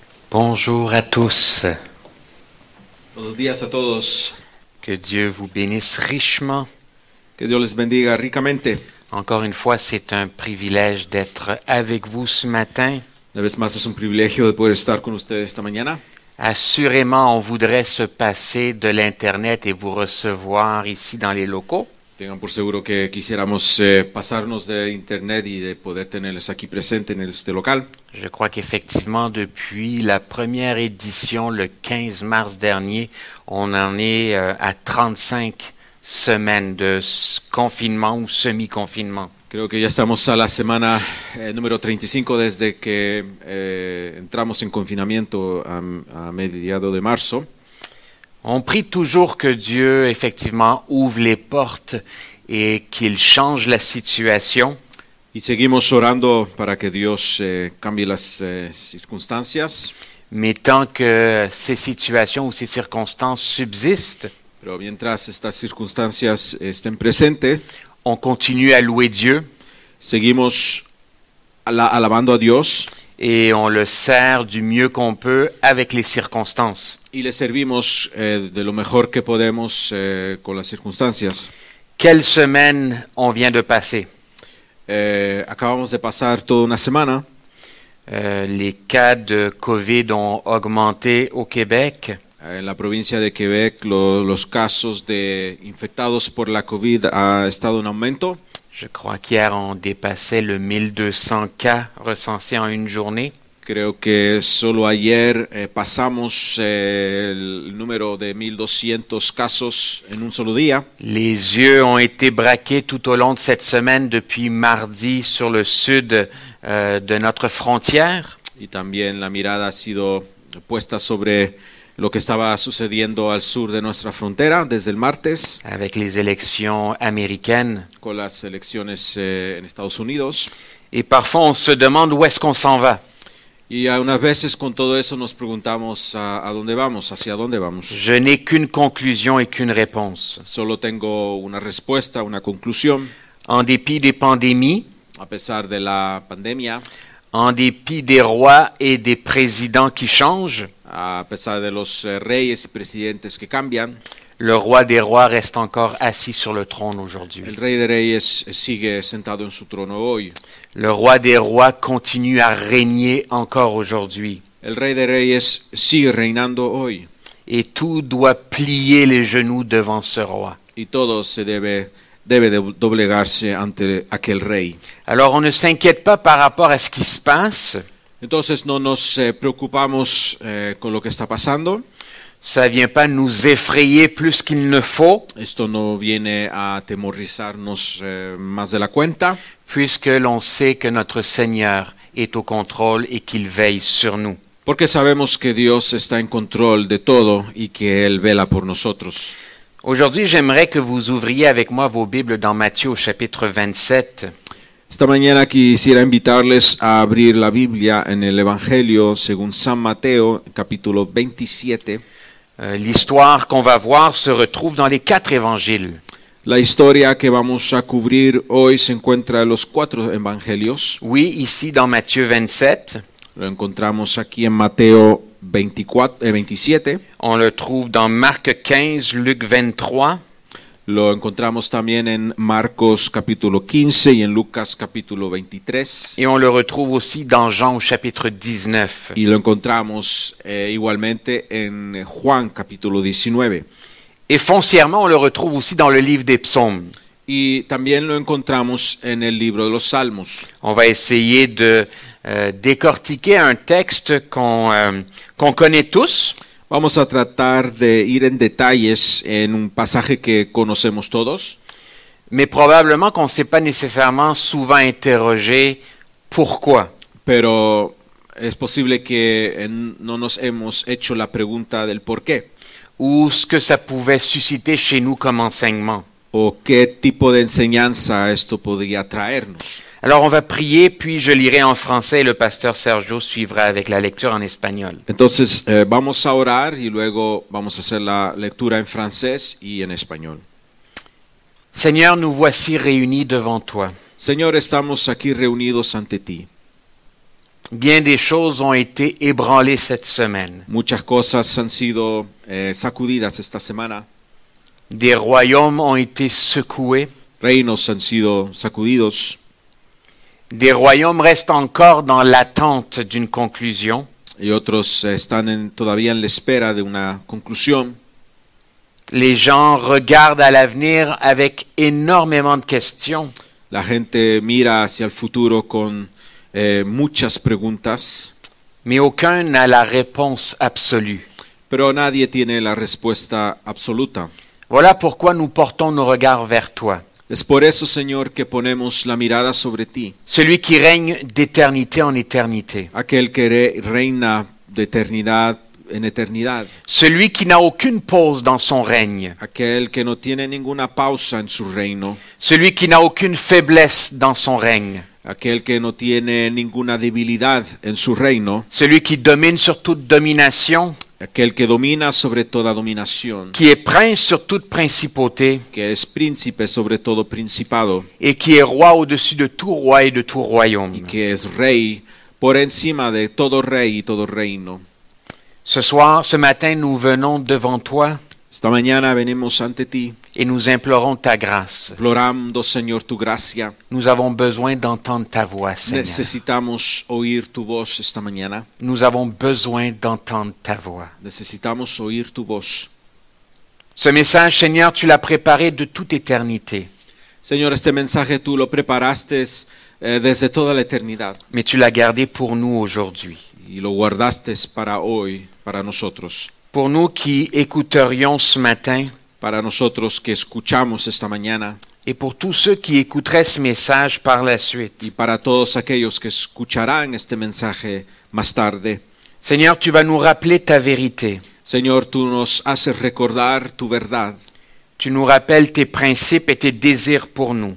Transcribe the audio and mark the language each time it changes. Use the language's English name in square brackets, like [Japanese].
[French] Bonjour à tous. [Spanish] Buenos días a todos. [French] Que Dieu vous bénisse richement. [Spanish] Que Dios les bendiga ricamente. [French] Encore une fois, c'est un privilège d'être avec vous ce matin. [Spanish] Una vez más, es un privilegio de poder estar con ustedes esta mañana. [French] Assurément, on voudrait se passer de l'Internet et vous recevoir ici dans les locaux. [Spanish] Tengan por seguro que quisiéramos pasarnos de Internet y de poder tenerles aquí presente en este local. [French] Je crois qu'effectivement, depuis la première édition, le 15 mars dernier, on en est à 35 semaine de confinement ou semi-confinement. [Spanish] Creo que ya estamos a la semana número 35 desde que entramos en confinamiento a mediados de marzo. [French] On prie toujours que Dieu effectivement ouvre les portes et qu'il change la situation. [Spanish] Y seguimos orando para que Dios cambie las circunstancias. [French] Mais tant que ces situations ou ces circonstances subsistent, [Spanish] pero mientras estas circunstancias estén presentes, [French] on continue à louer Dieu, [Spanish] seguimos alabando a Dios, [French] et on le sert du mieux qu'on peut avec les circonstances. [Spanish] Y le servimos de lo mejor que podemos con las circunstancias. [French] Quelle semaine on vient de passer? [Spanish] Acabamos de pasar toda una semana. [French] Les cas de COVID ont augmenté au Québec. [Spanish] En la provincia de Quebec, los casos de infectados por la COVID ha estado en aumento. [French] Je crois qu'hier on dépassait le 1200 cas recensés en une journée. [Spanish] Creo que solo ayer pasamos el número de 1200 casos en un solo día. [French] Les yeux ont été braqués tout au long de cette semaine depuis mardi sur le sud de notre frontière. [Spanish] Y también la mirada ha sido puesta sobre lo que estaba sucediendo al sur de nuestra frontera desde el martes. [French] Avec les élections américaines. [Spanish] Con las elecciones en Estados Unidos. [French] Et parfois on se demande où est-ce qu'on s'en va. [Spanish] Y algunas veces con todo eso nos preguntamos a dónde vamos, hacia dónde vamos. [French] Je n'ai qu'une conclusion et qu'une réponse. [Spanish] Solo tengo una respuesta, una conclusión. [French] En dépit des pandémies. [Spanish] A pesar de la pandemia. [French] En dépit des rois et des présidents qui changent. [Spanish] A pesar de los reyes y presidentes que cambian, [French] le roi des rois reste encore assis sur le trône aujourd'hui. [Spanish] El rey de reyes sigue sentado en su trono hoy. [French] Le roi des rois continue à régner encore aujourd'hui. [Spanish] El rey de reyes sigue reinando hoy. [French] Et tout doit plier les genoux devant ce roi. [Spanish] Y todo se debe doblegarse ante aquel rey. [French] Alors on ne s'inquiète pas par rapport à ce qui se passe. [Spanish] Entonces no nos preocupamos con lo que está pasando. [French] Ça vient pas nous effrayer plus qu'il ne faut. [Spanish] Esto no viene a temorizarnos más de la cuenta. [French] Puisque l'on sait que notre Seigneur est au contrôle et qu'il veille sur nous. [Spanish] Porque sabemos que Dios está en control de todo y que él vela por nosotros. [French] Aujourd'hui, j'aimerais que vous ouvriez avec moi vos Bibles dans Matthieu au chapitre 27. [Spanish] Esta mañana quisiera invitarles a abrir la Biblia en el Evangelio según San Mateo, capítulo 27. [French] L'histoire qu'on va voir se retrouve dans les quatre évangiles. [Spanish] La historia que vamos a cubrir hoy se encuentra en los cuatro evangelios. [French] Oui, ici dans Matthieu 27. [Spanish] Lo encontramos aquí en Mateo 27. [French] On le trouve dans Marc 15, Luc 23. [Spanish] Lo encontramos también en Marcos capítulo 15 y en Lucas capítulo 23. [French] Et on le retrouve aussi dans Jean au chapitre 19. [Spanish] Y lo encontramos igualmente en Juan capítulo 19. [French] Et foncièrement, on le retrouve aussi dans le livre des psaumes. [Spanish] Y también lo encontramos en el libro de los salmos. [French] On va essayer de décortiquer un texte qu'on connaît tous. [Spanish] Vamos a tratar de ir en detalles en un pasaje que conocemos todos. [French] Mais probablement qu'on ne s'est pas nécessairement souvent interrogé pourquoi. [Spanish] Pero es posible que no nos hemos hecho la pregunta del por qué. [French] Ou ce que ça pouvait susciter chez nous comme enseignement. [Spanish] O qué tipo de enseñanza esto podría traernos. [French] Alors on va prier, puis je lirai en français et le pasteur Sergio suivra avec la lecture en espagnol. [Spanish] Entonces vamos a orar y luego vamos a hacer la lectura en francés y en español. [French] Seigneur, nous voici réunis devant toi. [Spanish] Señor, estamos aquí reunidos ante ti. [French] Bien des choses ont été ébranlées cette semaine. [Spanish] Muchas cosas han sido sacudidas esta semana. [French] Des royaumes ont été secoués. [Spanish] Reinos han sido sacudidos. [French] Des royaumes restent encore dans l'attente d'une conclusion. [Spanish] Y otros están todavía en la espera de una conclusión. [French] Les gens regardent à l'avenir avec énormément de questions. [Spanish] La gente mira hacia el futuro con muchas preguntas. [French] Mais aucun n'a la réponse absolue. [Spanish] Pero nadie tiene la respuesta absoluta. [French] Voilà pourquoi nous portons nos regards vers toi. [Spanish] Es por eso, Señor, que ponemos la mirada sobre ti. [French] Celui qui règne d'éternité en éternité. [Spanish] Aquel que reina d'éternidad en éternidad. [French] Celui qui n'a aucune pause dans son règne. [Spanish] Aquel que no tiene ninguna pausa en su reino. [French] Celui qui n'a aucune faiblesse dans son règne. [Spanish] Aquel que no tiene ninguna debilidad en su reino. [French] Celui qui domine sur toute domination. [Spanish] Aquel que domina sobre toda dominación. [French] Qui est prince sur toute principauté. [Spanish] Que es príncipe sobre todo principado. [French] Et qui est roi au-dessus de tout roi et de tout royaume. [Spanish] Y que es rey por encima de todo rey y todo reino. [French] Ce soir, ce matin, nous venons devant toi. [Spanish] Esta mañana venimos ante ti. [French] Et nous implorons ta grâce. [Spanish] Implorando, Señor, tu gracia. [French] Nous avons besoin d'entendre ta voix, Seigneur. [Spanish] Necesitamos oír tu voz esta mañana. [French] Nous avons besoin d'entendre ta voix. [Spanish] Necesitamos oír tu voz. [French] Ce message, Seigneur, tu l'as préparé de toute éternité. [Spanish] Señor, este mensaje tú lo preparaste desde toda la eternidad. [French] Mais tu l'as gardé pour nous aujourd'hui. [Spanish] Y lo guardaste para hoy, para nosotros. [French] Pour nous qui écouterions ce matin. [Spanish] Para nosotros que escuchamos esta mañana. [French] Et pour tous ceux qui écouteraient ce message par la suite. [Spanish] Y para todos aquellos que escucharán este mensaje más tarde. [French] Seigneur, tu vas nous rappeler ta vérité. [Spanish] Señor, tú nos haces recordar tu verdad. [French] Tu nous rappelles tes principes et tes désirs pour nous.